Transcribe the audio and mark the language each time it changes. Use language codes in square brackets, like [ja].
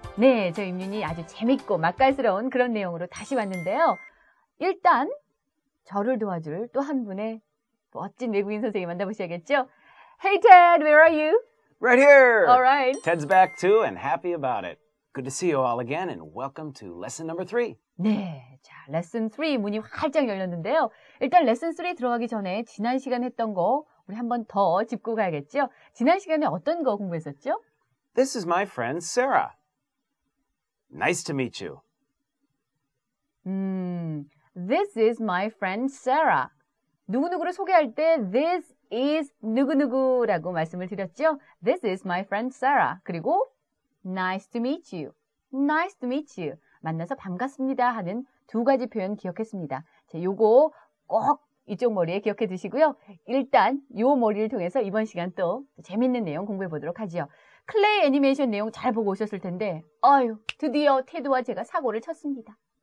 [ko] 네, 저 임윤이 아주 재밌고 맛깔스러운 그런 내용으로 다시 왔는데요. 일단 저를 도와줄 또 한 분의 멋진 외국인 선생님 만나보셔야겠죠? [en] Hey Ted, where are you? Right here! Alright. Ted's back too and happy about it. Good to see you all again and welcome to lesson number 3. [ko] 네, 자, lesson 3 문이 활짝 열렸는데요. 일단 lesson 3 들어가기 전에 지난 시간 했던 거 우리 한 번 더 짚고 가야겠죠? 지난 시간에 어떤 거 공부했었죠? [en] This is my friend Sarah. Nice to meet you. This is my friend Sarah. [ko] 누구누구를 소개할 때 [en] this is [ko] 누구누구라고 말씀을 드렸죠. [en] This is my friend Sarah. [ko] 그리고 [en] nice to meet you. Nice to meet you. [ko] 만나서 반갑습니다 하는 두 가지 표현 기억했습니다. 자, 요거 꼭 이쪽 머리에 기억해 두시고요. 일단 요 머리를 통해서 이번 시간 또 재밌는 내용 공부해 보도록 하죠. 클레이 애니메이션 내용 잘 보고 오셨을 텐데 아유 드디어 테드와 제가 사고를 쳤습니다.